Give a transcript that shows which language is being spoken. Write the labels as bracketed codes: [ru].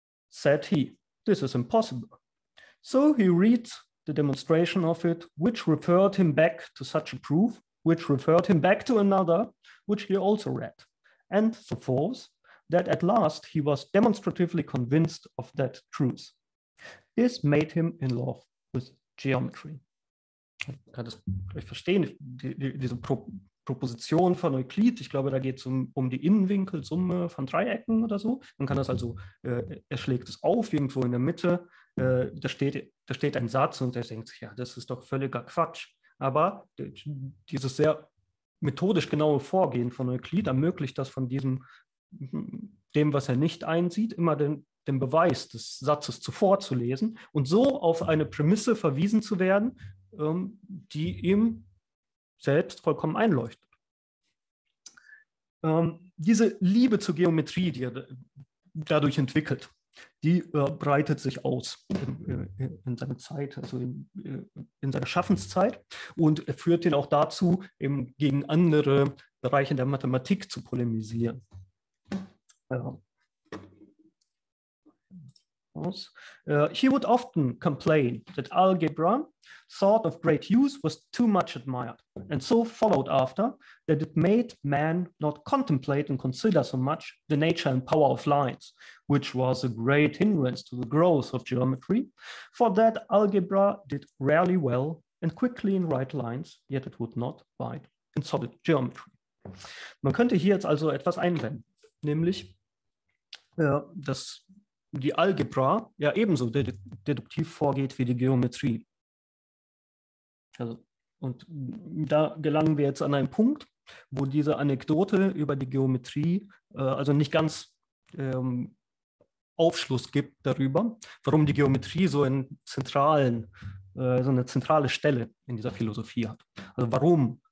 [en] Said he, this is impossible. So he reads the demonstration of it, which referred him back to such a proof, which referred him back to another, which he also read, and so forth, that at last he was demonstratively convinced of that truth. This made him in love with geometry. [de] Ich kann das gleich verstehen, diese Proposition von Euklid, ich glaube, da geht es um die Innenwinkelsumme von Dreiecken oder so. Man kann das also, er schlägt es auf irgendwo in der Mitte, da steht ein Satz und er denkt sich, ja, das ist doch völliger Quatsch. Aber dieses sehr methodisch genaue Vorgehen von Euklid ermöglicht das von diesem, dem, was er nicht einsieht, immer den Beweis des Satzes zuvor zu lesen und so auf eine Prämisse verwiesen zu werden, die ihm selbst vollkommen einleuchtet. Diese Liebe zur Geometrie, die er dadurch entwickelt, die breitet sich aus in seiner Zeit, also in seiner Schaffenszeit und führt ihn auch dazu, eben gegen andere Bereiche der Mathematik zu polemisieren. [en] He would often complain that algebra, thought of great use, was too much admired, and so followed after that it made man not contemplate and consider so much the nature and power of lines, which was a great hindrance to the growth of geometry, for that algebra did rarely well and quickly in right lines, yet it would not bide in solid geometry. [de] Man könnte hier jetzt also etwas einwenden, nämlich dass die Algebra ja ebenso deduktiv vorgeht wie die Geometrie. Also, und da gelangen wir jetzt an einen Punkt, wo diese Anekdote über die Geometrie also nicht ganz Aufschluss gibt darüber, warum die Geometrie so eine zentrale Stelle in dieser Philosophie hat. Also warum